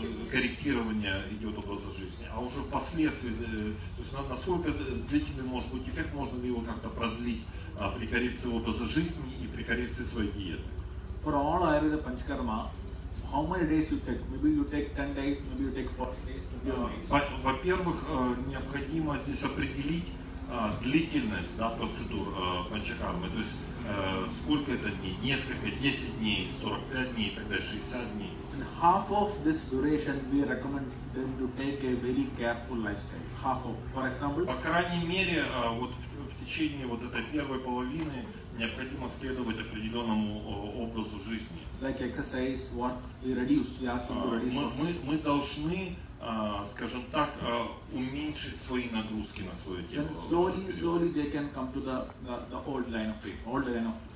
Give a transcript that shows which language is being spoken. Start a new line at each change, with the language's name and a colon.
Russian: Корректирование идет образа жизни, а уже впоследствии, то есть насколько длительный может быть эффект, можно ли его как-то продлить при коррекции образа жизни и при коррекции своей диеты.
English: For all Ayurveda Panchakarma, how many days you take? Maybe you take 10 days, maybe you take 40 days.
Russian: Во-первых, необходимо здесь определить длительность, да, процедур панчакармы, то есть сколько это дней? Несколько, 10 дней, 45 дней, тогда 60 дней.
English: And half of this duration, we recommend them to take a very careful lifestyle. Half of, for example.
Russian: По крайней мере, вот в течение вот этой первой половины необходимо следовать определенному образу жизни.
English: Like exercise, what we reduce, we ask them to reduce.
Russian: Мы должны, скажем так, уменьшить свои нагрузки на свое тело.
English: Then slowly they can come to the old line of thinking, old line of.